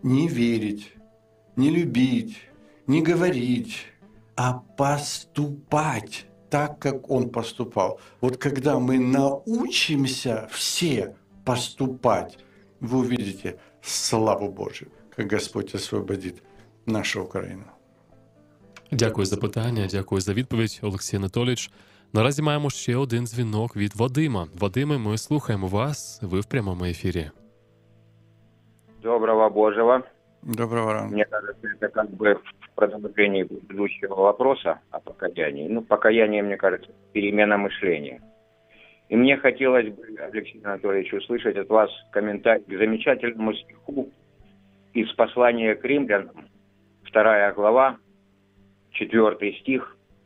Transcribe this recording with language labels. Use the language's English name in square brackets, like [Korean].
[Russian] Не верить, не любить, не говорить, а поступать так, как он поступал». Вот когда мы научимся все поступать, вы увидите славу Божию, как Господь освободит нашу Украину. [Ukrainian] Дякую за питання, дякую за відповідь, Олексій Анатолійович. Наразі маємо ще один дзвінок від Вадима. Вадиме, ми слухаємо вас, ви в прямому ефірі. Доброго Божого. Доброго ранку. [Russian] Мені кажется, це как бы в продовженні предыдущего вопроса о покаянии. Ну, покаяние, мне кажется, перемена мышления. И мне хотелось бы, Алексей Анатольевич, услышать от вас комментарий к замечательному стиху из послания к римлянам, 2 глава, 4 стих.